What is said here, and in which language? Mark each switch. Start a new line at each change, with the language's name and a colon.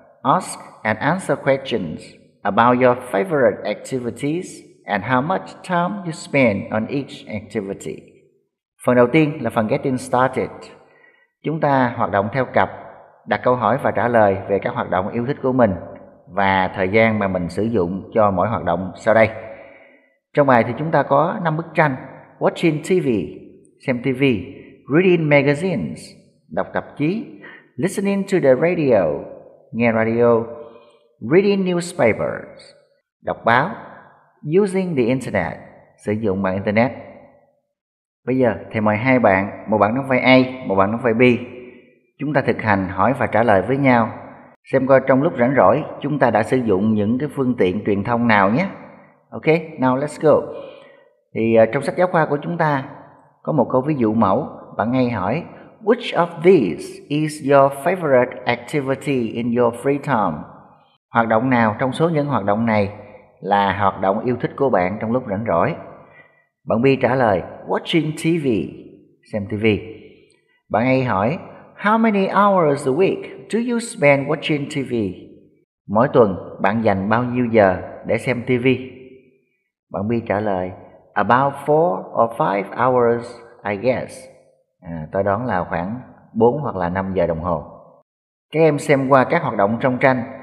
English: Ask and answer questions about your favorite activities and how much time you spend on each activity.
Vietnamese: Phần đầu tiên là phần getting started. Chúng ta hoạt động theo cặp, đặt câu hỏi và trả lời về các hoạt động yêu thích của mình và thời gian mà mình sử dụng cho mỗi hoạt động sau đây. Trong bài thì chúng ta có 5 bức tranh:
English: watching TV,
Vietnamese: xem TV,
English: reading magazines,
Vietnamese: đọc tạp chí,
English: listening to the radio,
Vietnamese: nghe radio,
English: reading newspapers,
Vietnamese: đọc báo,
English: using the internet,
Vietnamese: sử dụng mạng internet. Bây giờ thì mời hai bạn, một bạn đóng vai A, một bạn đóng vai B. Chúng ta thực hành hỏi và trả lời với nhau, xem coi trong lúc rảnh rỗi chúng ta đã sử dụng những cái phương tiện truyền thông nào nhé.
English: Ok, now let's go.
Vietnamese: Thì trong sách giáo khoa của chúng ta có một câu ví dụ mẫu. Bạn ngay hỏi:
English: which of these is your favorite activity in your free time?
Vietnamese: Hoạt động nào trong số những hoạt động này là hoạt động yêu thích của bạn trong lúc rảnh rỗi? Bạn B trả lời:
English: watching TV,
Vietnamese: xem TV. Bạn A hỏi:
English: how many hours a week do you spend watching TV?
Vietnamese: Mỗi tuần bạn dành bao nhiêu giờ để xem TV? Bạn B trả lời:
English: about 4 or 5 hours, I guess.
Vietnamese: Tôi đoán là khoảng 4 hoặc là 5 giờ đồng hồ. Các em xem qua các hoạt động trong tranh.